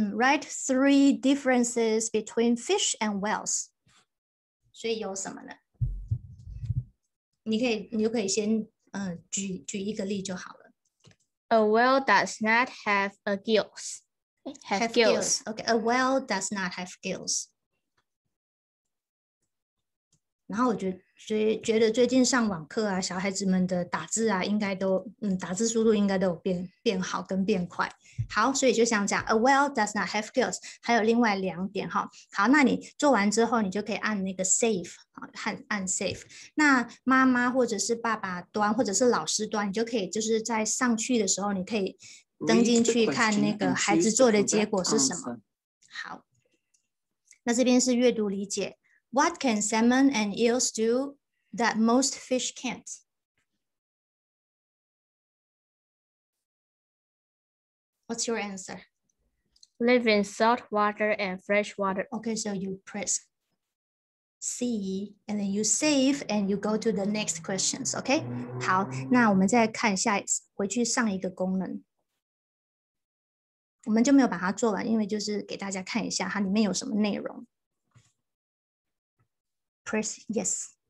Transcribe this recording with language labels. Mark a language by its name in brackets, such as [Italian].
[English] Write three differences between fish and whales. [Chinese] 所以有什么呢？你就可以先举一个例就好了。 [English] A whale does not have a gills. Have gills. Okay. A whale does not have gills. [Chinese] 然后我觉得最近上网课啊，小孩子们的打字啊，应该都打字速度应该都有变好跟变快。好，所以就想讲 a whale does not have gills，还有另外两点哈。好，那你做完之后，你就可以按那个 save 啊，按 save。那妈妈或者是爸爸端或者是老师端，你就可以就是在上去的时候，你可以登进去看那个孩子做的结果是什么。好，那这边是阅读理解。 [English] What can salmon and eels do that most fish can't? What's your answer? Live in salt water and fresh water. Okay, so you press C, and then you save, and you go to the next questions, okay? [Chinese] 好，那我们再看一下，回去上一个功能。我们就没有把它做完，因为就是给大家看一下它里面有什么内容。 [English] Press yes.